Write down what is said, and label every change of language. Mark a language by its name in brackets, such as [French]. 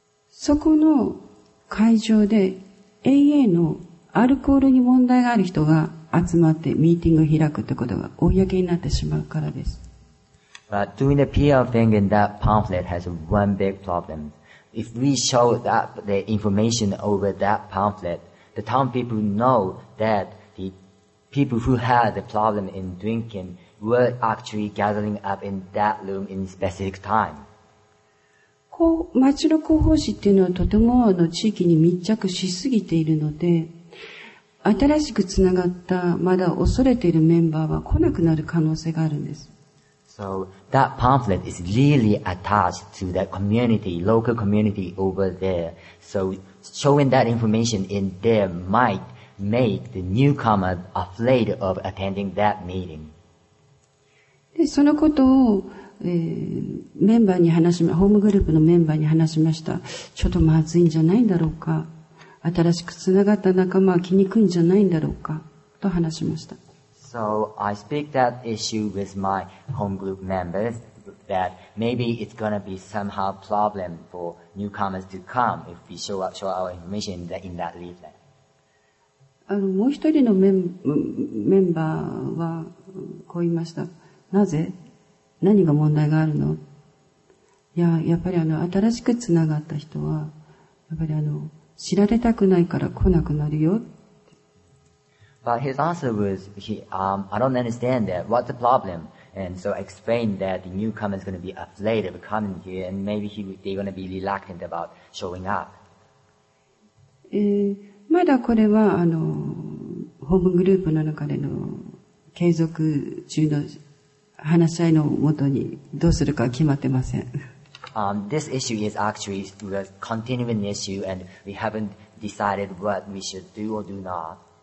[Japanese] そこの会場で AA のアルコールに問題がある人が集まってミーティングを開くってことが公になってしまうからです。 [English] But doing the PR thing in that pamphlet has one big problem. If we show that the information over that pamphlet, the town people know that the people who had the problem in drinking were actually gathering up in that room in specific time. [Japanese] 町の広報誌っていうのはとても地域に密着しすぎているので、新しくつながったまだ恐れているメンバーは来なくなる可能性があるんです。 [English] So that pamphlet is really attached to that community, local community over there. So showing that information in there might make the newcomer afraid of attending that meeting. [Japanese] で、そのことを、メンバーに話し、ホームグループのメンバーに話しました。ちょっとまずいんじゃないんだろうか。新しくつながった仲間は来にくいんじゃないんだろうかと話しました。 [English] So I speak that issue with my home group members that maybe it's going to be somehow a problem for newcomers to come if we show our information in that leaflet. [Japanese] もう一人のメンバーはこう言いました。なぜ？何が問題があるの？いや、やっぱり新しくつながった人は、やっぱり知られたくないから来なくなるよ。 [English] But his answer was, I don't understand that. What's the problem? And so explained that the newcomer is going to be afraid of coming here and maybe they're going to be reluctant about showing up. [Japanese] まだこれはホームグループの中での継続中の話し合いのもとにどうするか決まってません。 [English] This issue is actually a continuing issue and we haven't decided what we should do or do not.